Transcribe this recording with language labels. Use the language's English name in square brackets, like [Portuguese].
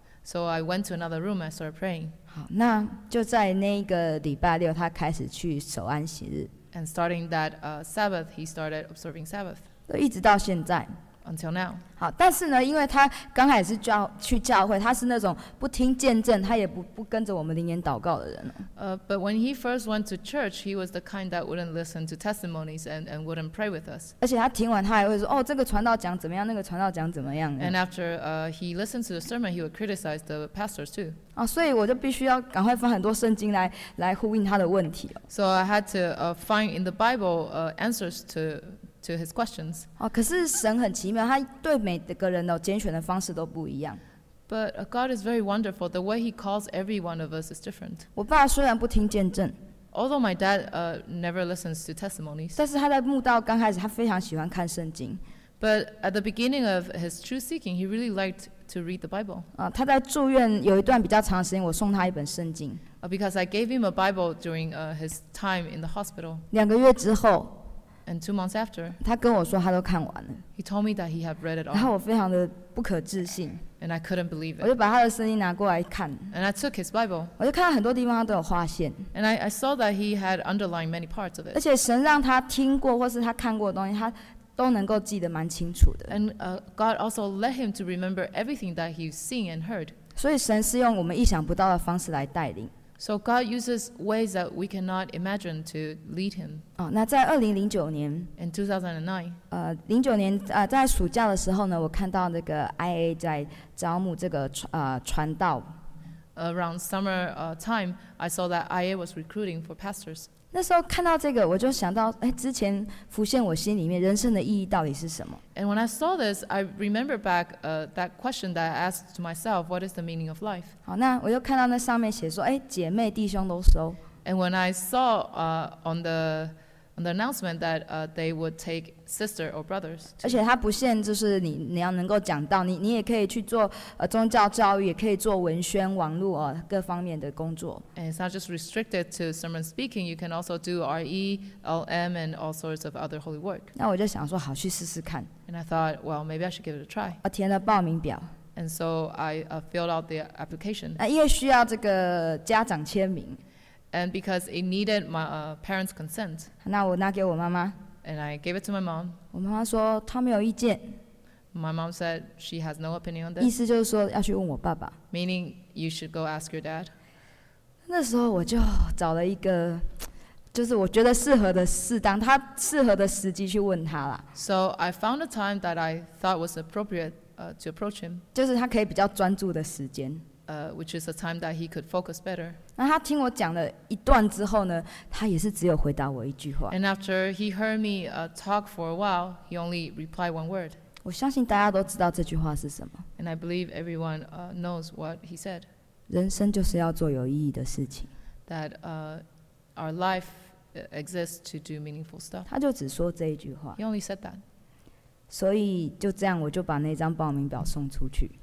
[English] So I went to another room and started praying. [Chinese] 好，那就在那个礼拜六，他开始去守安息日。 [English] And starting that Sabbath, he started observing Sabbath. [Chinese] 都一直到现在。 [English] Until now. [Chinese] 好，但是呢，因为他刚开始去教会，他是那种不听见证，他也不跟着我们灵言祷告的人。 [English] But when he first went to church, he was the kind that wouldn't listen to testimonies and wouldn't pray with us. [Chinese] 而且他听完，他还会说：“哦，这个传道讲怎么样，那个传道讲怎么样。” [English] And after he listened to the sermon, he would criticize the pastors too. [Chinese] 啊，所以我就必须要赶快放很多圣经来呼应他的问题。 [English] So I had to find in the Bible answers to his questions. [Chinese] 哦，可是神很奇妙，他对每个人的拣选的方式都不一样。 [English] But God is very wonderful. The way He calls every one of us is different. [Chinese] 我爸虽然不听见证 [English] ，although my dad never listens to testimonies. [Chinese] 但是他在慕道刚开始，他非常喜欢看圣经。 [English] But at the beginning of his true seeking, he really liked to read the Bible. [Chinese] 啊，他在住院有一段比较长时间，我送他一本圣经。 [English] Because I gave him a Bible during his time in the hospital. [Chinese] 两个月之后。 [English] And 2 months after, [Chinese] 他跟我说他都看完了。 [English] He told me that he had read it all. [Chinese] 然后我非常的不可置信。 [English] And I couldn't believe it. [Chinese] 我就把他的圣经拿过来看。 [English] And I took his Bible. [Chinese] 我就看到很多地方他都有划线。 [English] And I saw that he had underlined many parts of it. [Chinese] 而且神让他听过或是他看过的东西，他都能够记得蛮清楚的。 [English] And God also led him to remember everything that he's seen and heard. [Chinese] 所以神是用我们意想不到的方式来带领。 [English] So God uses ways that we cannot imagine to lead him. [Chinese] 哦，那在2009年 [English] ，in 2009， [Chinese] 零九年在暑假的时候呢，我看到那个 IA 在招募这个传道。 [English] Around summer time, I saw that IA was recruiting for pastors. [Chinese] 那时候看到这个，我就想到，哎，之前浮现我心里面人生的意义到底是什么 [English] ？And when I saw this, I remember back that question that I asked to myself, "What is the meaning of life?" [Chinese] 好，那我又看到那上面写说，哎，姐妹弟兄都收。 [English] And when I saw on the announcement that they would take sister or brothers, [Chinese] 而且它不限，就是你要能够讲到，你也可以去做宗教教育，也可以做文宣、网络各方面的工作。 [English] And it's not just restricted to sermon speaking; you can also do RE, LM, and all sorts of other holy work. [Chinese] 那我就想说，好，去试试看。 [English] And I thought, well, maybe I should give it a try. [Chinese] 我填了报名表。 [English] And so I filled out the application. [Chinese] 因为需要这个家长签名。 [English] And because it needed my parents' consent. [Chinese] 那我拿给我妈妈。 [English] And I gave it to my mom. [Chinese] 我妈妈说她没有意见。 [English] My mom said she has no opinion on this. [Chinese] 意思就是说要去问我爸爸。 [English] Meaning you should go ask your dad. [Chinese] 那时候我就找了一个，就是我觉得适合的适当，他适合的时机去问他啦。 [English] So I found a time that I thought was appropriate to approach him. [Chinese] 就是他可以比较专注的时间。 [English] Which is a time that he could focus better. [Chinese] 那他听我讲了一段之后呢，他也是只有回答我一句话。 [English] And after he heard me talk for a while, he only replied one word. [Chinese] 我相信大家都知道这句话是什么。 [English] And I believe everyone knows what he said. [Chinese] 人生就是要做有意义的事情。 [English] That our life exists to do meaningful stuff. [Chinese] 他就只说这一句话。 [English] He only said that. [Chinese] 所以就这样，我就把那张报名表送出去。